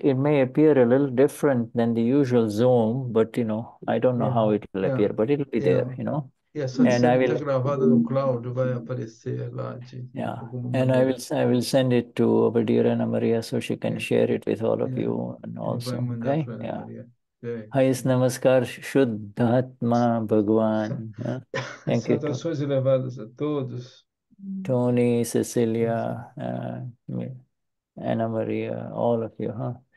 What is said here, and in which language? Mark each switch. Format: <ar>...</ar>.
<en>It may appear a little different than the usual Zoom, but you know, I don't know how it will appear, but it'll be there, you know.</en> <pt>Essa cena está gravada no cloud, vai aparecer lá de</pt> <en>And I will send it to Obadirana Maria so she can share it with all of you and also. Okay? Hais namaskar, Shuddhatma Bhagwan. Thank you.</en> <pt>Saudações elevadas a todos.</pt> <en>Tony, Cecilia, Ana Maria, all of you, huh?</en>